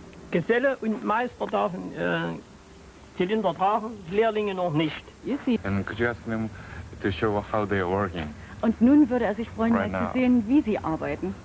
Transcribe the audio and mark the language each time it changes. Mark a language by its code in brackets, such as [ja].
[de] Geselle und Meister dürfen Zylinder tragen, Lehrlinge noch nicht. [en] And could you ask them to show how they are working? [de] Und nun würde er sich freuen, [en] right now, [de] zu sehen, wie sie arbeiten.